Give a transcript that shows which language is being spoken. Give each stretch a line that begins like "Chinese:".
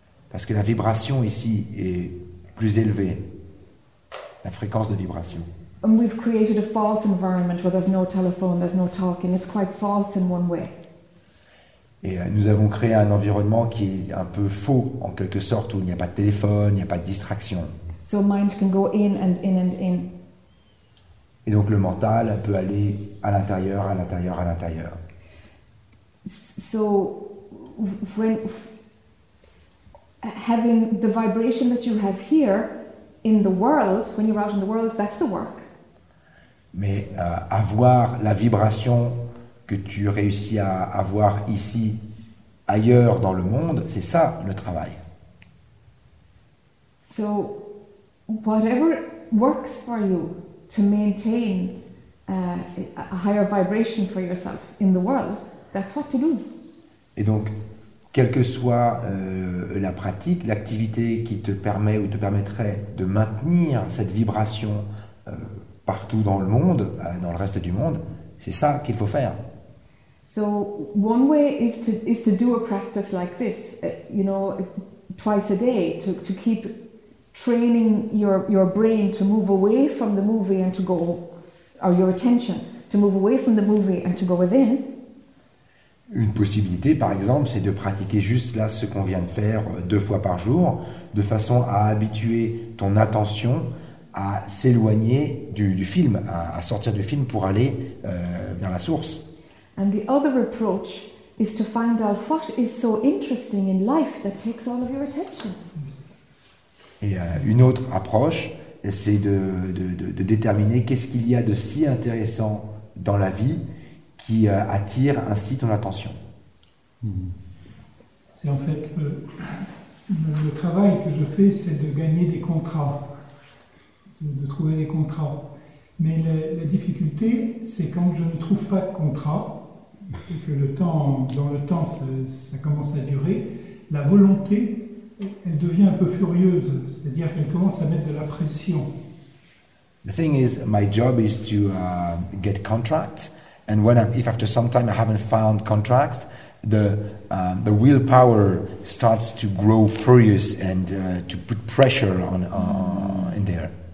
French: Parce que la vibration ici est plus élevée, la fréquence de vibration.
English: And we've created a false environment where there's no telephone, there's no talking. It's quite false in one way.
French: Et nous avons créé un environnement qui est un peu faux en quelque sorte, où il n'y a pas de téléphone, il n'y a pas de distraction.
English: So mind can go in and in and in.
French: Et donc le mental peut aller à l'intérieur, à l'intérieur, à l'intérieur.
English: So when having the vibration that you have here in the world, when you're out in the world, that's the work.
French: Mais avoir la vibration que tu réussis à avoir ici, ailleurs dans le monde, c'est ça le travail.
English: So whatever works for you to maintain a higher vibration for yourself in the world, that's what to do.
French: Et donc, quelle que soit la pratique, l'activité qui te permet ou te permettrait de maintenir cette vibration partout dans le monde, dans le reste du monde, c'est ça qu'il faut faire.
English: So one way is to do a practice like this, you know, twice a day, to keep training your brain to move away from the movie and to go, or your attention to move away from the movie and to go within.
French: Une possibilité, par exemple, c'est de pratiquer juste là ce qu'on vient de faire deux fois par jour, de façon à habituer ton attention à s'éloigner du film, à sortir du film pour aller vers la source.
English: And the other approach is to find out what is so interesting in life that takes all of your attention.
French: Et une autre approche, c'est de déterminer qu'est-ce qu'il y a de si intéressant dans la vie qui attire ainsi ton attention. C'est en fait le travail que je fais, c'est de gagner des contrats, de trouver des contrats. Mais la difficulté, c'est quand je ne trouve pas de contrat, et que dans le temps ça commence à durer, la volonté, elle devient un peu furieuse, c'est-à-dire qu'elle commence à mettre de la pression.
English: The thing is, my job is to get contracts. And when if after some time I haven't found contracts, the willpower starts to grow furious and to put pressure on in there.